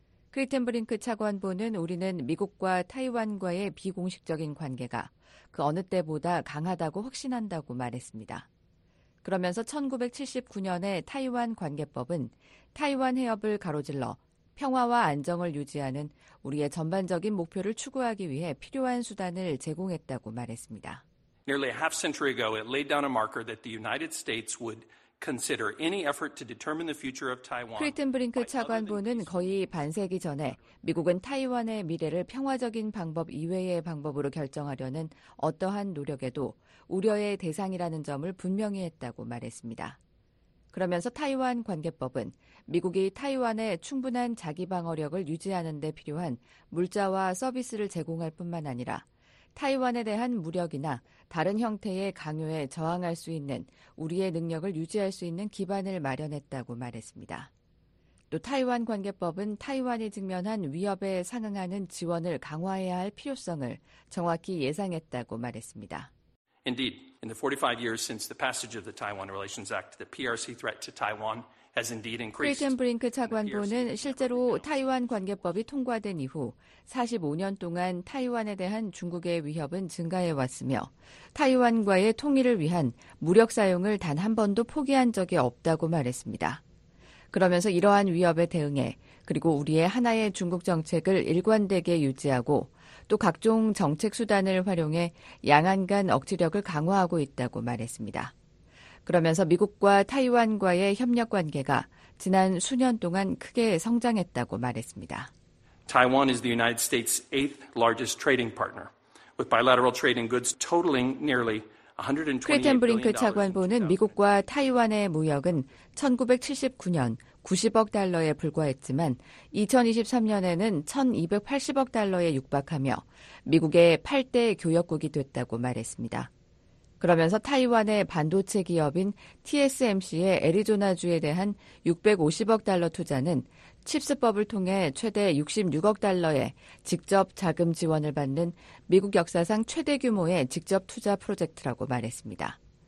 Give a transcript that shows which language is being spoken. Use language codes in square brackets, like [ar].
[ko] 크리튼브링크 차관보는 우리는 미국과 타이완과의 비공식적인 관계가 그 어느 때보다 강하다고 확신한다고 말했습니다. 그러면서 1979년에 타이완 관계법은 타이완 해협을 가로질러 평화와 안정을 유지하는 우리의 전반적인 목표를 추구하기 위해 필요한 수단을 제공했다고 말했습니다. [en] Nearly a half century ago, it laid down a marker that the United States would consider any effort to determine the future of Taiwan. [ko] 크리튼브링크 차관보는 거의 반세기 전에 미국은 타이완의 미래를 평화적인 방법 이외의 방법으로 결정하려는 어떠한 노력에도 우려의 대상이라는 점을 분명히 했다고 말했습니다. 그러면서 타이완 관계법은 미국이 타이완에 충분한 자기방어력을 유지하는 데 필요한 물자와 서비스를 제공할 뿐만 아니라 타이완에 대한 무력이나 다른 형태의 강요에 저항할 수 있는 우리의 능력을 유지할 수 있는 기반을 마련했다고 말했습니다. 또 타이완 관계법은 타이완이 직면한 위협에 상응하는 지원을 강화해야 할 필요성을 정확히 예상했다고 말했습니다. [en] Indeed, in the 45 years since the passage of the Taiwan Relations Act, the PRC threat to Taiwan has indeed increased. [ko] 크리튼브링크 차관보는 실제로 타이완 관계법이 통과된 이후 45년 동안 타이완에 대한 중국의 위협은 증가해 왔으며 타이완과의 통일을 위한 무력 사용을 단 한 번도 포기한 적이 없다고 말했습니다. 그러면서 이러한 위협에 대응해 그리고 우리의 하나의 중국 정책을 일관되게 유지하고 또 각종 정책 수단을 활용해 양안 간 억지력을 강화하고 있다고 말했습니다. 그러면서 미국과 타이완과의 협력 관계가 지난 수년 동안 크게 성장했다고 말했습니다. [en] Taiwan is the United States' eighth largest trading partner, with bilateral trading goods totaling nearly 120. [ko] 크리튼브링크 차관보는 미국과 타이완의 무역은 1979년 90억 달러에 불과했지만 2023년에는 1,280억 달러에 육박하며 미국의 8대 교역국이 됐다고 말했습니다. 그러면서 타이완의 반도체 기업인 TSMC의 애리조나주에 대한 650억 달러 투자는 칩스법을 통해 최대 66억 달러의 직접 자금 지원을 받는 미국 역사상 최대 규모의 직접 투자 프로젝트라고 말했습니다.